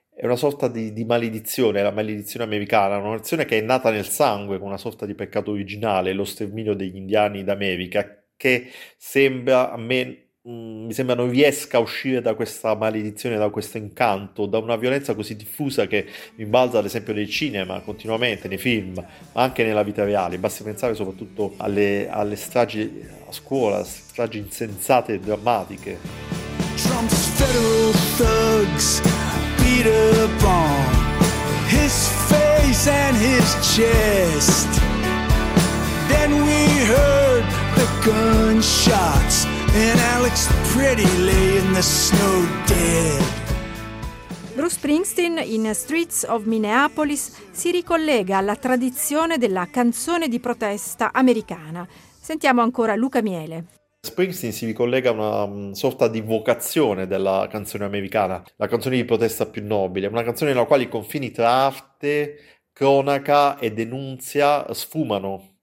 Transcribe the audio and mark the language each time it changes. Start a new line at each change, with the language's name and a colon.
Italian: È una sorta di maledizione, la maledizione americana, una nazione che è nata nel sangue con una sorta di peccato originale, lo sterminio degli indiani d'America, che sembra a me, mi sembra non riesca a uscire da questa maledizione, da questo incanto, da una violenza così diffusa che rimbalza ad esempio nel cinema continuamente, nei film, ma anche nella vita reale. Basti pensare soprattutto alle stragi a scuola, stragi insensate e drammatiche.
English: Trump's federal thugs. Up on his face and his chest. Then we heard the gunshots and Alex Pretty lay in the snow dead.
Italian: Bruce Springsteen in Streets of Minneapolis si ricollega alla tradizione della canzone di protesta americana. Sentiamo ancora Luca Miele. Springsteen si ricollega a una sorta di vocazione della canzone americana, la canzone di protesta più nobile, una canzone nella quale i confini tra arte, cronaca e denunzia sfumano.